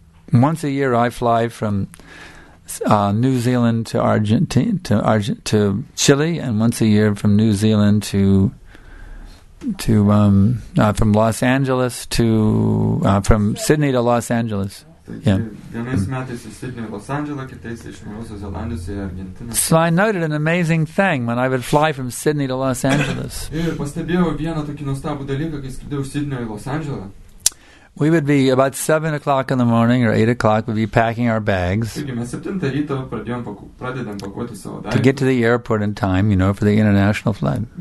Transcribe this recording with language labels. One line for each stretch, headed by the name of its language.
English: Once a year I fly from New Zealand to Argentina to Chile, and once a year from New Zealand to from Los Angeles to from Sydney to Los Angeles.
Lithuanian: Vienais metais į Sidnį Los Andželą, kitais iš Naujosios Zelandijos į Argentiną.
English: So I noted an amazing thing when I would fly from Sydney to Los Angeles.
Lithuanian: Ir pastebėjau vieną tokį nuostabų dalyką, kai skridau iš Sidnio į Los Andželą.
English: We would be about 7 o'clock in the morning or 8 o'clock, we'd be packing our bags to get to the airport in time, you know, for the international flight.